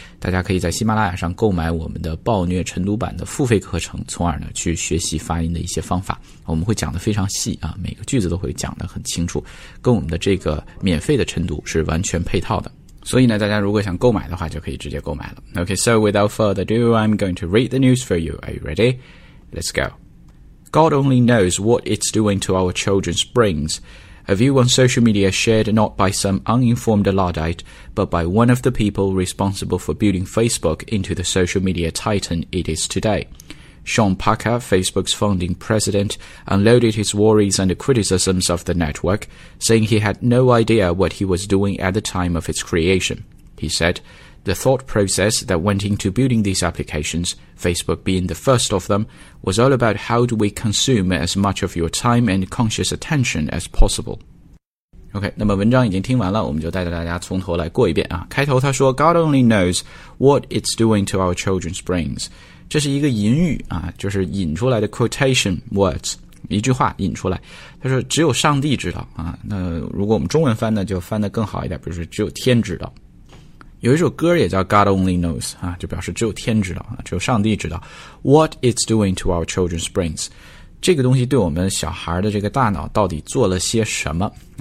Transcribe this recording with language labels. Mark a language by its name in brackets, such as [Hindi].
[Chinese] 大家可以在喜马拉雅上购买我们的暴虐晨读版的付费课程，从而呢去学习发音的一些方法。我们会讲的非常细啊，每个句子都会讲的很清楚，跟我们的这个免费的晨读是完全配套的。所以呢，大家如果想购买的话，就可以直接购买了。 [English] Okay, so without further ado, I'm going to read the news for you. Are you ready? Let's go. God only knows what it's doing to our children's brains. A view on social media shared not by some uninformed Luddite, but by one of the people responsible for building Facebook into the social media titan it is today. Sean Parker, Facebook's founding president, unloaded his worries and criticisms of the network, saying he had no idea what he was doing at the time of its creation. He said,The thought process that went into building these applications, Facebook being the first of them, was all about how do we consume as much of your time and conscious attention as possible. [Chinese] OK, 那么文章已经听完了，我们就带着大家从头来过一遍啊。开头他说 [English] God only knows what it's doing to our children's brains. [Chinese] 这是一个引语啊，就是引出来的 [English] quotation words. [Chinese] 一句话引出来，他说只有上帝知道啊。那如果我们中文翻呢，就翻得更好一点，比如说只有天知道。有一首歌也叫 God Only Knows 啊，就表示只有天知道啊，只有上帝知道 [English] What it's doing to our children's brains， [Chinese] 这个东西对我们小孩的这个大脑到底做了些什么？